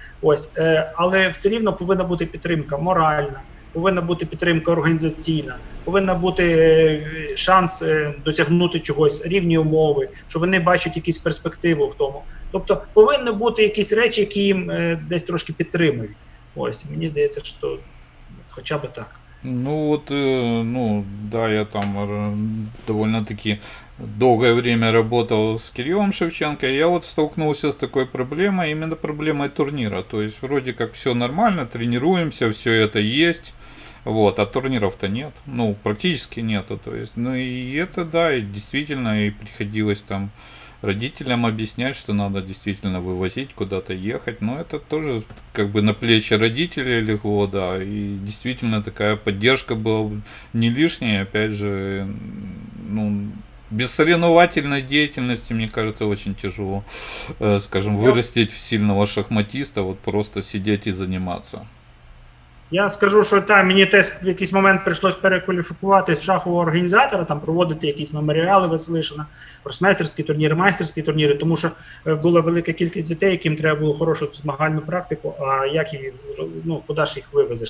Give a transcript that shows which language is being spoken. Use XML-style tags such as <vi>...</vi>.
<uk>Ось, але все рівно повинна бути підтримка моральна, повинна бути підтримка організаційна, повинна бути шанс досягнути чогось, рівні умови, що вони бачать якісь перспективи в тому. Тобто повинні бути якісь речі, які їм десь трошки підтримують. Ось, мені здається, що хоча б так.</uk> <ru>Ну от, ну да, я там довольно таки довгое время работал с Кириллом Шевченко, и я вот столкнулся с такой проблемой, именно проблемой турнира. То есть вроде как все нормально, тренируемся, все это есть, вот, а турниров-то нет, ну практически нету. То есть, ну и это да, и действительно, и приходилось там родителям объяснять, что надо действительно вывозить, куда-то ехать, но это тоже как бы на плечи родителей легло, да, и действительно такая поддержка была не лишняя, опять же, ну, без соревновательной деятельности, мне кажется, очень тяжело, скажем, вырастить в сильного шахматиста, вот просто сидеть и заниматься.</ru> <uk>Я скажу, що так, мені теж в якийсь момент прийшлось перекваліфікуватися в шахового організатора, там проводити якісь меморіали, Веслишина, гросмейстерські турніри, майстерські турніри, тому що була велика кількість дітей, яким треба було хорошу змагальну практику, а як її, ну, куди ж їх вивезеш?</uk>